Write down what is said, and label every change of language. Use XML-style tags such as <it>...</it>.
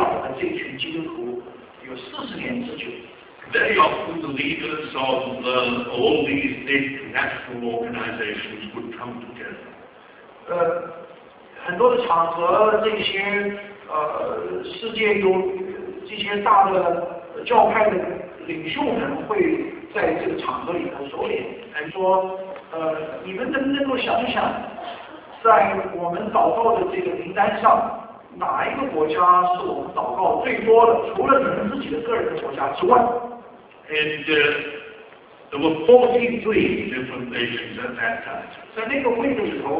<zh>在我过去里头，我曾经跟一群基督徒叫做为世界代祷的这群基督徒有40年之久。</zh> <en>Very often the leaders of all these big national organizations would come together.</en> <zh>很多的场合，这些世界有这些大的教派的领袖们会在这个场合里头说：“哎，说，你们能不能够想一想，在我们祷告的这个名单上，哪一个国家是我们祷告最多的？除了你们自己的个人的国家之外。”</zh> <en>And there were 43 different nations at that time.</en>